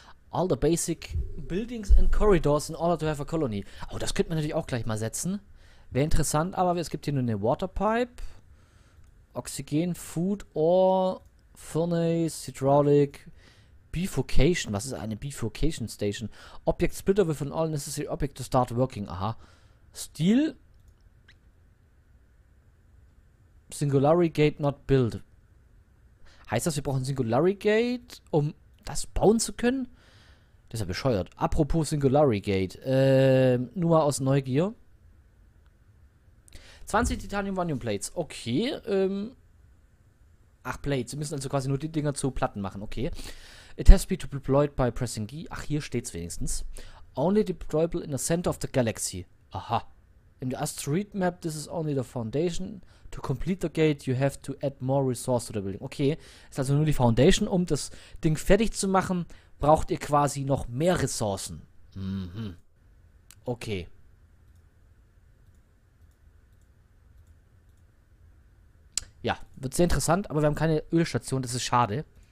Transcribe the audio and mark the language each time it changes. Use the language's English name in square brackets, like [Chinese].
[English] All the basic buildings and corridors in order to have a colony. [German] Oh, das könnte man natürlich auch gleich mal setzen. Wäre interessant, aber es gibt hier nur eine Waterpipe. [English] Oxygen, Food, Ore, Furnace, Hydraulic, Bifurcation. [German] Was ist eine Bifurcation Station? [English] Object Splitter within all necessary object to start working. Aha. Steel. Singularity Gate not build. [German] Heißt das, wir brauchen Singularity Gate, um das bauen zu können? Das ist ja bescheuert. Apropos Singularity Gate. Nur aus Neugier. [English] 20 Titanium-Vanium Plates. Okay. [German] Ach, Plates. Sie müssen also quasi nur die Dinger zu Platten machen. Okay. [English] It has been deployed by pressing G. [German] Ach, hier steht's wenigstens. [English] Only deployable in the center of the galaxy. Aha. In the asteroid map, this is only the foundation. To complete the gate, you have to add more resource to the building. Okay. [German] Ist also nur die Foundation. Um das Ding fertig zu machen, braucht ihr quasi noch mehr Ressourcen. Okay. Ja, wird sehr interessant, aber wir haben keine Ölstation, das ist schade.